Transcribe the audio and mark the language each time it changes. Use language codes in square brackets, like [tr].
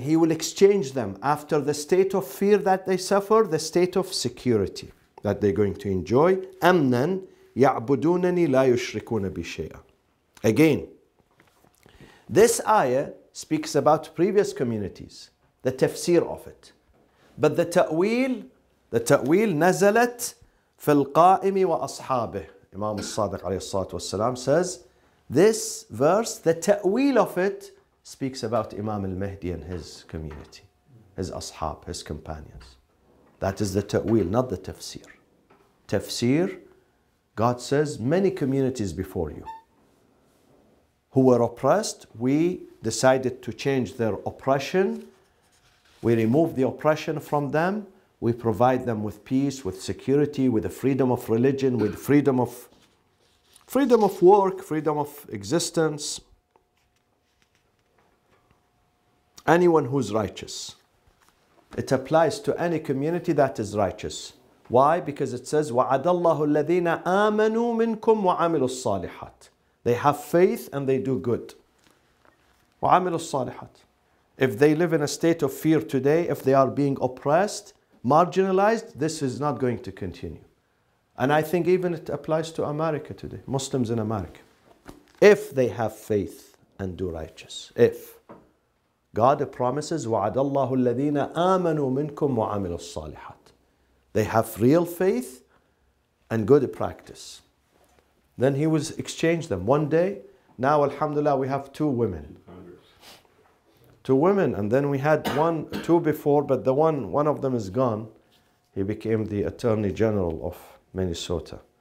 [en] He will exchange them after the state of fear that they suffer, the state of security that they're going to enjoy. [ar] أَمْنًا يَعْبُدُونَنِي لَا يُشْرِكُونَ بِشَيْءًا. [en] Again, this ayah speaks about previous communities, the tafsir of it. But the ta'wil [ar] نزلت في القائم وأصحابه. [en] Imam al-Sadiq alayhi salatu wasalam says, this verse, the ta'wil of it, speaks about Imam al-Mahdi and his community, his ashab, his companions. That is the ta'wil, not the tafsir. Tafsir, God says, many communities before you who were oppressed, we decided to change their oppression. We remove the oppression from them. We provide them with peace, with security, with the freedom of religion, with freedom of work, freedom of existence. Anyone who's righteous. It applies to any community that is righteous. Why? [ar] Because it says, وَعَدَ اللَّهُ الَّذِينَ آمَنُوا مِنْكُمْ وَعَمِلُوا الصَّالِحَاتِ. [en] They have faith and they do good. [ar] وَعَمِلُوا الصَّالِحَاتِ. [en] If they live in a state of fear today, if they are being oppressed, marginalized, this is not going to continue. And I think even it applies to America today, Muslims in America. If they have faith and do righteous. If. God promises, [ar] وَعَدَ اللَّهُ الَّذِينَ آمَنُوا مِنْكُمْ وَعَمِلُوا الصَّالِحَاتِ. [en] They have real faith and good practice. Then he was exchange them. One day, now alhamdulillah, we have two women. Two women, and then we had two before, but one of them is gone. He became the Attorney General of Minnesota.